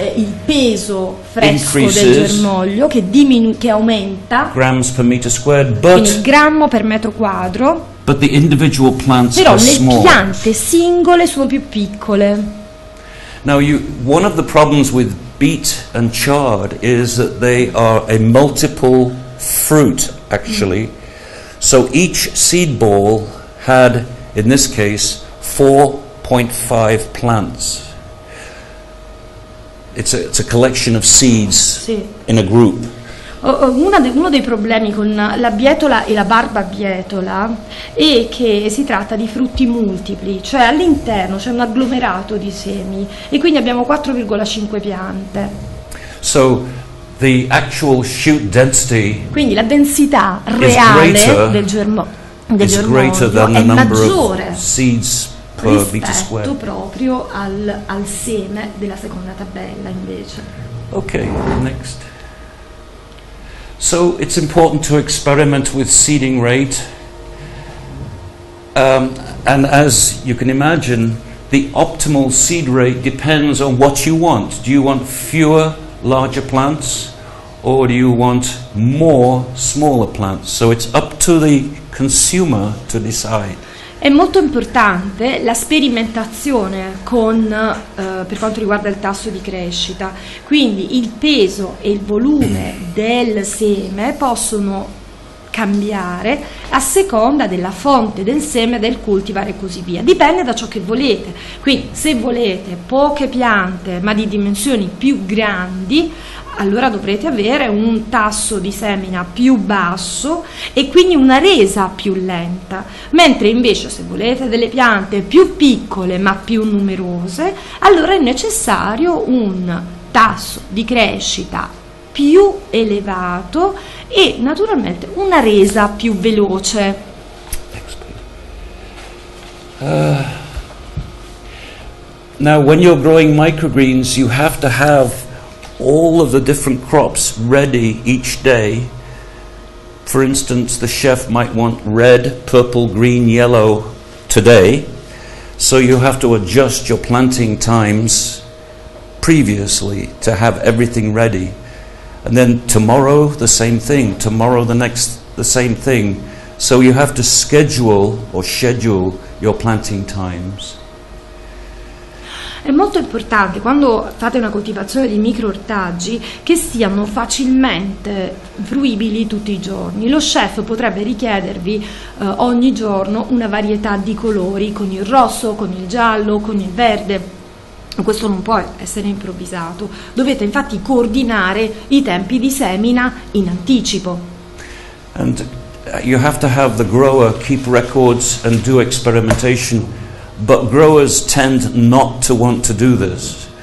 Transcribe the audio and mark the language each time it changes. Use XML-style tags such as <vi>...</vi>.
<it>Il peso fresco del germoglio che che aumenta.</it> <en>Grams per meter squared, but</en> <it>il grammo per metro quadro.</it> <en>But the individual plants</en> <it>però</it> <en>are small.</en> <it>Le piante singole sono più piccole.</it> <en>Now one of the problems with beet and chard is that they are a multiple fruit actually. So each seed ball had in this case 4.5 plants. It's a collection of seeds,</en> <it>sì,</it> <en>in a group.</en> <it>Uno dei problemi con la bietola e la barbabietola è che si tratta di frutti multipli, cioè all'interno c'è un agglomerato di semi e quindi abbiamo 4,5 piante.</it> <en>So the actual shoot density,</en> <it>quindi la densità reale del germoglio è maggiore</it> <en>seeds</en> <it>rispetto proprio al seme della seconda tabella invece.</it> <en>Ok, next. So it's important to experiment with seeding rate. And as you can imagine, the optimal seed rate depends on what you want. Do you want fewer larger plants or do you want more smaller plants? So it's up to the consumer to decide.</en> <it>È molto importante la sperimentazione per quanto riguarda il tasso di crescita, quindi il peso e il volume del seme possono cambiare a seconda della fonte del seme, del cultivar e così via, dipende da ciò che volete. Quindi se volete poche piante ma di dimensioni più grandi, allora dovrete avere un tasso di semina più basso e quindi una resa più lenta, mentre invece se volete delle piante più piccole ma più numerose, allora è necessario un tasso di crescita più elevato e naturalmente una resa più veloce.</it> <en>Now when you're growing microgreens you have to have all of the different crops ready each day. For instance, the chef might want red, purple, green, yellow today, so you have to adjust your planting times previously to have everything ready. And then tomorrow the same thing, tomorrow the next the same thing, so you have to schedule your planting times.</en> <it>È molto importante quando fate una coltivazione di microortaggi che siano facilmente fruibili tutti i giorni. Lo chef potrebbe richiedervi ogni giorno una varietà di colori, con il rosso, con il giallo, con il verde. Questo non può essere improvvisato. Dovete infatti coordinare i tempi di semina in anticipo.</it> <en>And you have to have the grower keep records and do experimentation. But growers tend not to want to do this.</en>